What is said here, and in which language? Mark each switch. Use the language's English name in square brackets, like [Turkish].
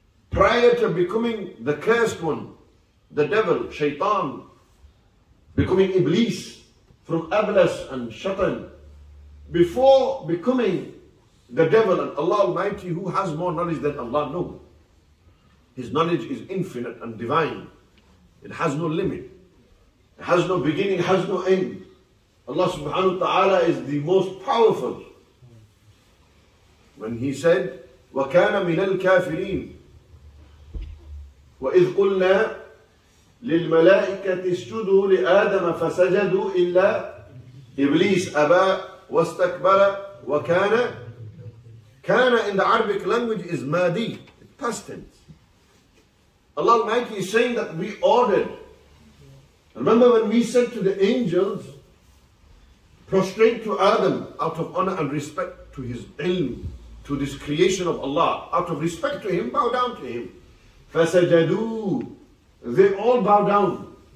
[English] Prior to becoming the cursed one, the devil, shaitan, becoming Iblis from Ablas and Shatan, before becoming the devil and Allah Almighty, who has more knowledge than Allah? No. His knowledge is infinite and divine. It has no limit. It has no beginning, has no end. Allah subhanahu wa ta'ala is the most powerful. When He said, [Arabic] وَكَانَ مِنَ الْكَافِرِينَ وَإِذْ قُلْنَا لِلْمَلَائِكَةِ اسْجُدُوا لِآدَمَ فَسَجَدُوا إِلَّا إِبْلِيسَ أَبَى وَاسْتَكْبَرَ وَكَانَ كَانَ [English] in the Arabic language is [Arabic] مَادِي, past tense. [English] Allah Almighty is saying that we ordered. Remember when we said to the angels, prostrate to Adam out of honor and respect to his ilm, to this creation of Allah, out of respect to him, bow down to him. [Arabic] فَسَجَدُوا. [English] They all bow down.